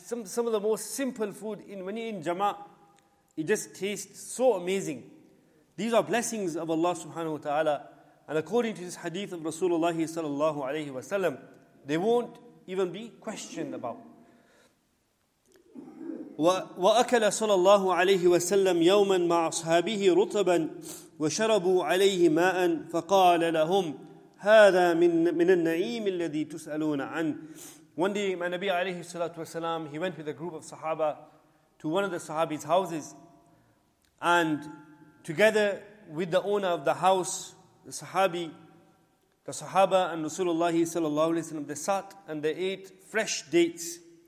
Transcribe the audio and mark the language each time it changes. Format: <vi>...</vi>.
<en>Some of the most simple food, when you're in jama'ah, it just tastes so amazing. These are blessings of Allah subhanahu wa ta'ala. And according to this hadith of Rasulullah sallallahu alayhi wa sallam, they won't even be questioned about.</en> <ar>وأكل صلى الله عليه وسلم يوما مع أصحابه رطبا وشربوا عليه ماء فقال لهم هذا من النعيم الذي تسألون عنه.</ar> <en>One day my Nabi عليه الصلاة والسلام, he went with a group of Sahaba to one of the Sahabi's houses, and together with the owner of the house, the Sahaba and Rasulullah صلى الله عليه وسلم, they sat and they ate fresh dates.</en>